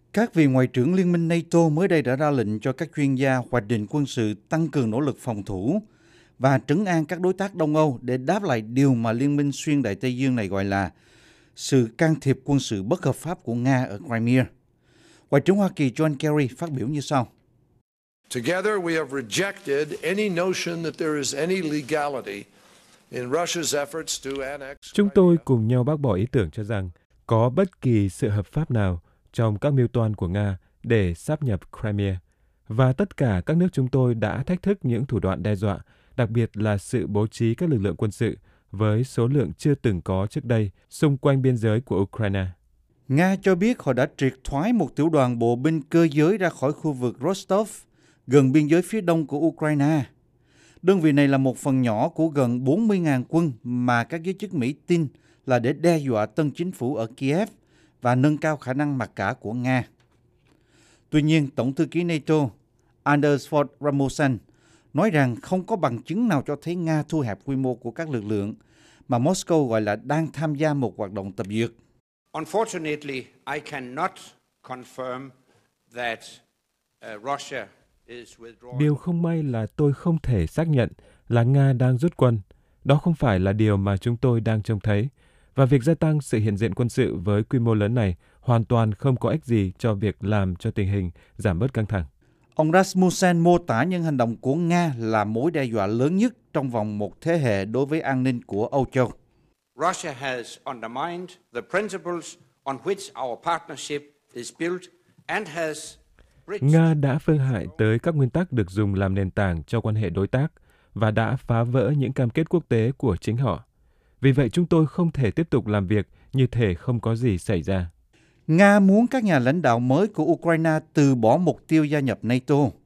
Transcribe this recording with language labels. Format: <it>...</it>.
<vi>Các vị ngoại trưởng Liên minh NATO mới đây đã ra lệnh cho các chuyên gia hoạch định quân sự tăng cường nỗ lực phòng thủ và trấn an các đối tác Đông Âu để đáp lại điều mà Liên minh xuyên Đại Tây Dương này gọi là sự can thiệp quân sự bất hợp pháp của Nga ở Crimea. Ngoại trưởng Hoa Kỳ John Kerry phát biểu như sau.</vi> <en>Together we have rejected any notion that there is any legality in Russia's efforts to annex Crimea.</en> <vi>Chúng tôi cùng nhau bác bỏ ý tưởng cho rằng có bất kỳ sự hợp pháp nào trong các mưu toan của Nga để sáp nhập Crimea. Và tất cả các nước chúng tôi đã thách thức những thủ đoạn đe dọa, đặc biệt là sự bố trí các lực lượng quân sự với số lượng chưa từng có trước đây xung quanh biên giới của Ukraine. Nga cho biết họ đã triệt thoái một tiểu đoàn bộ binh cơ giới ra khỏi khu vực Rostov, gần biên giới phía đông của Ukraine. Đơn vị này là một phần nhỏ của gần 40.000 quân mà các giới chức Mỹ tin là để đe dọa tân chính phủ ở Kiev và nâng cao khả năng mặc cả của Nga. Tuy nhiên, Tổng thư ký NATO Anders Fogh Rasmussen nói rằng không có bằng chứng nào cho thấy Nga thu hẹp quy mô của các lực lượng mà Moscow gọi là đang tham gia một hoạt động tập dượt.</vi> <en>Unfortunately, I cannot confirm that Russia is withdrawing.</en> <vi>Điều không may là tôi không thể xác nhận là Nga đang rút quân. Đó không phải là điều mà chúng tôi đang trông thấy. và việc gia tăng sự hiện diện quân sự với quy mô lớn này hoàn toàn không có ích gì cho việc làm cho tình hình giảm bớt căng thẳng. Ông Rasmussen mô tả những hành động của Nga là mối đe dọa lớn nhất trong vòng một thế hệ đối với an ninh của Âu Châu.</vi> <en>Russia has undermined the principles on which our partnership is built and has breached.</en> <vi>Nga đã phương hại tới các nguyên tắc được dùng làm nền tảng cho quan hệ đối tác và đã phá vỡ những cam kết quốc tế của chính họ. Vì vậy, chúng tôi không thể tiếp tục làm việc như thể không có gì xảy ra. Nga muốn các nhà lãnh đạo mới của Ukraine từ bỏ mục tiêu gia nhập NATO.</vi>